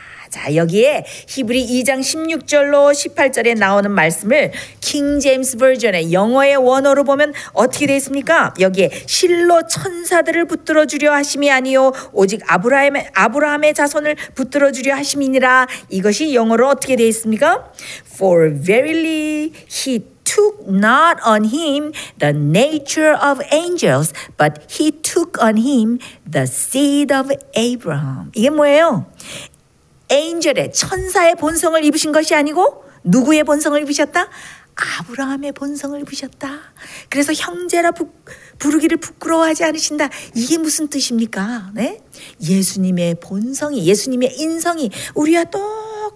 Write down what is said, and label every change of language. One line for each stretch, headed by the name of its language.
Korean: 자, 여기에 히브리 2장 16절로 18절에 나오는 말씀을 킹 제임스 버전의 영어의 원어로 보면 어떻게 되어 있습니까? 여기에 실로 천사들을 붙들어 주려 하심이 아니요 오직 아브라함의 자손을 붙들어 주려 하심이니라. 이것이 영어로 어떻게 되어 있습니까?
English: For verily he took not on him the nature of angels, but he took on him the seed of Abraham.
Korean: 이게 뭐예요? 엔젤의 천사의 본성을 입으신 것이 아니고 누구의 본성을 입으셨다? 아브라함의 본성을 입으셨다. 그래서 형제라 부르기를 부끄러워하지 않으신다. 이게 무슨 뜻입니까? 네? 예수님의 본성이, 예수님의 인성이 우리와 똑